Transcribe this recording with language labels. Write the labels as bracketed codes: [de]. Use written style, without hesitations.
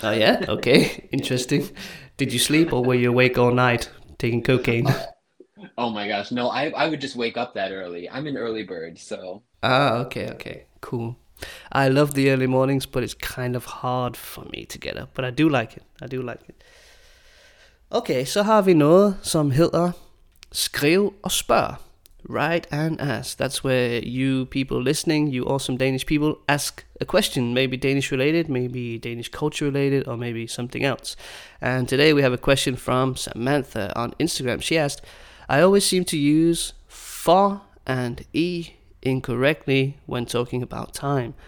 [en] Oh, yeah? Okay. Interesting. Did you sleep or were you awake all night taking cocaine? Oh my gosh. No, I would just wake up that early. I'm an early bird, so... Ah, okay, okay. Cool. I love the early mornings, but it's kind of hard for me to get up. But I do like it. I do like it. [da] Okay, så har vi noget, som hedder skriv og spørg. [en] Write and ask. That's where you people listening, you awesome Danish people, ask a question. Maybe Danish related, maybe Danish culture related, or maybe something else. And today we have a question from Samantha on Instagram. She asked, I always seem to use for and e incorrectly when talking about time.